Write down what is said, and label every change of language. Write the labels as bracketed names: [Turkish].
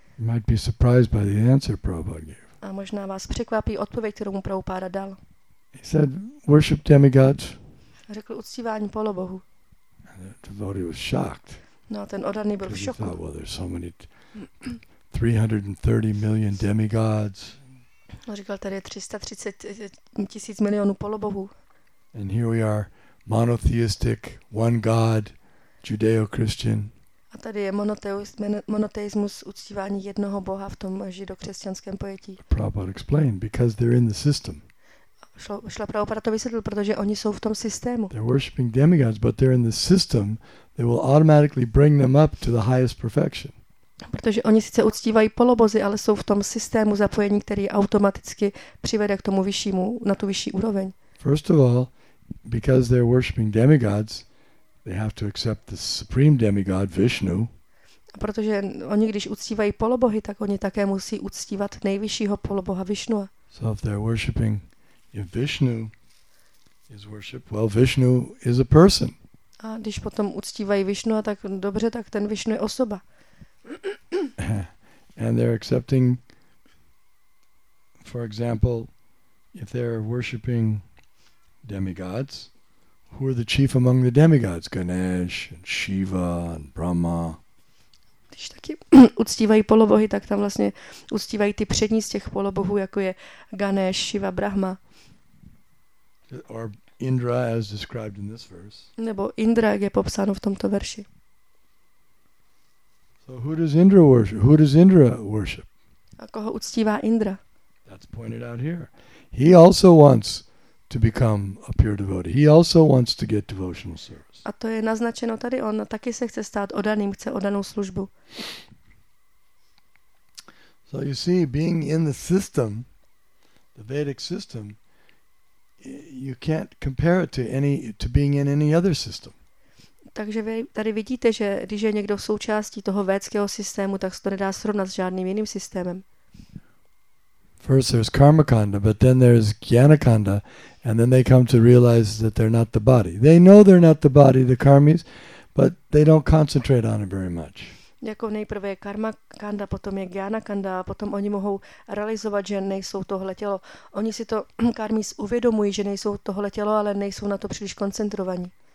[English] You might be surprised by the answer Prabhupada gave. [Czech] A možná vás překvapí odpověď, kterou mu Prabhupáda dal. [English] He said, worship demigods. [Czech] Řekl uctívání polobohů. [English] The devotee was shocked. [Czech] No, ten odaný byl v šoku. [English] Thought, well, there's so many 330 million demigods. [Czech] No, říkal tady 330 tisíc milionů polobohů. [English] And here we are, monotheistic, one god, Judeo-Christian. [Czech] A tady je monoteismus uctívání jednoho boha v tom židokřesťanském pojetí. [English] Prabhupada explained, because they're in the system. [Czech] Šla Prabhupada to vysvětlil, protože oni jsou v tom systému. [English] They're worshiping demigods, but they're in the system. They will automatically bring them up to the highest perfection. [Czech] Protože oni sice uctívají polobozy, ale jsou v tom systému zapojení, který automaticky přivede k tomu vyššímu, na tu vyšší úroveň. [English] First of all, because they're worshiping demigods, they have to accept the supreme demigod Vishnu. [Czech] A protože oni když uctívají polobohy, tak oni také musí uctívat nejvyššího poloboha Vishnu. [English] So if they're worshiping, if Vishnu is worshiped, well, Vishnu is a person. [Czech] A když potom uctívají Vishnu, tak dobře, tak ten Vishnu je osoba. [English] And they're accepting, for example, if they're worshiping demigods, who are the chief among the demigods? Ganesh and Shiva and Brahma. [Czech] Když taky uctívají polobohy, tak tam vlastně uctívají ty přední z těch polobohů, jako je Ganesh, Shiva, Brahma. [English] Or Indra, as described in this verse. [Czech] Nebo Indra, jak je popsáno v tomto verši. [English] So who does Indra worship? Who does Indra worship? [Czech] A koho uctívá Indra? [English] That's pointed out here. He also wants to become a pure devotee. He also wants to get devotional service. [Czech] A to je naznačeno tady. On taky se chce stát odaným, chce odanou službu. [English] So you see, being in the system, the Vedic system, you can't compare it to being in any other system. [Czech] Takže vy tady vidíte, že když je někdo součástí toho védského systému, tak se to nedá srovnat s žádným jiným systémem. [English] First there's karmakanda, but then there's gyanakanda, and then they come to realize that they're not the body. They know they're not the body, the karmis, but they don't concentrate on it very much. [Czech] Jako nejprve je karmakanda, potom je gyanakanda, a potom oni mohou realizovat, že nejsou tohle tělo. Oni si to karmis uvědomují, že nejsou tohle tělo, ale nejsou na to příliš koncentrovaní.